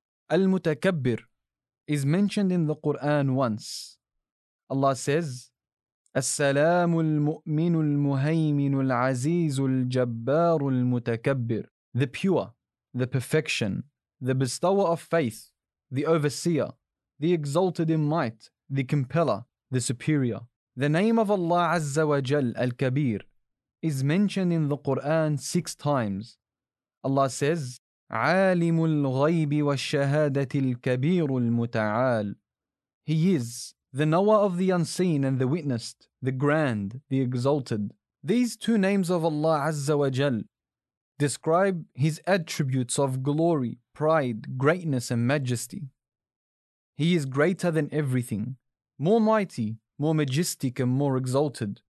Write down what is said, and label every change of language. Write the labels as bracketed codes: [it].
[en] Al-Mutakabbir is mentioned in the Quran once. Allah says, [ar] السلام المؤمن المهيمن العزيز الجبار المتكبر. [en] The pure, the perfection, the bestower of faith, the overseer, the exalted in might, the compeller, the superior. The name of Allah Azza wa Jal Al-Kabir is mentioned in the Quran 6 times. Allah says, [ar] عالم الغيب والشهادة الكبير المتعال. [en] He is the knower of the unseen and the witnessed, the grand, the exalted. These 2 names of Allah Azza wa Jal describe His attributes of glory, pride, greatness and majesty. He is greater than everything, more mighty, more majestic and more exalted.